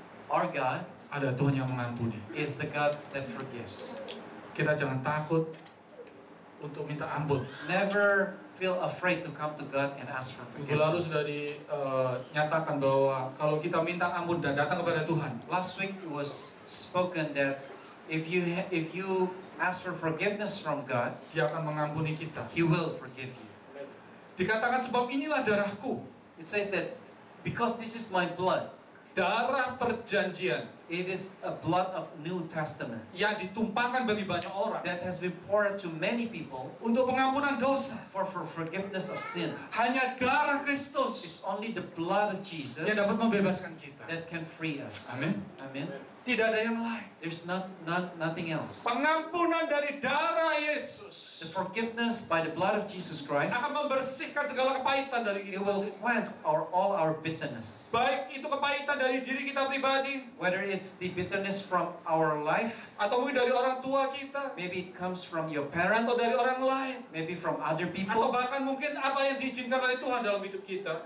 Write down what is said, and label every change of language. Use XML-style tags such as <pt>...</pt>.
<en>our God,</en> <id>ada Tuhan yang mengampuni.</id> <en>Is the God that forgives.</en> <id>Kita jangan takut untuk minta ampun.</id> <en>Never feel afraid to come to God and ask for forgiveness.</en> <id>Lalu sudah dinyatakan bahwa kalau kita minta ampun dan datang kepada Tuhan.</id> <en>Last week it was spoken that if you ask for forgiveness from God,</en> <id>Dia akan mengampuni kita.</id> <en>He will forgive you.</en> <id>Dikatakan sebab inilah darahku.</id> <en>It says that because this is my blood.</en> <id>Darah perjanjian.</id> <en>It is a blood of New Testament.</en> <id>Yang ditumpahkan bagi banyak orang.</id> <en>That has been poured to many people.</en> <id>Untuk pengampunan dosa.</id> <en>For forgiveness of sin.</en> <id>Hanya darah Kristus.</id> <en>It's only the blood of Jesus.</en> <id>Yang dapat membebaskan kita.</id> <en>That can free us.</en> <id>Amin. Amin. Tidak ada yang lain.</id> <en>There's nothing else.</en> <id>Pengampunan dari darah Yesus.</id> <en>The forgiveness by the blood of Jesus Christ.</en> <id>Akan membersihkan segala kepahitan dari kita.</id> <en>It will cleanse all our bitterness.</en> <id>Baik itu kepahitan dari diri kita pribadi.</id> <en>Whether it's the bitterness from our life.</en> <id>Atau mungkin dari orang tua kita.</id> <en>Maybe it comes from your parents.</en> <id>Atau dari orang lain.</id> <en>Maybe from other people.</en> <id>Atau bahkan mungkin apa yang diizinkan oleh Tuhan dalam hidup kita.</id>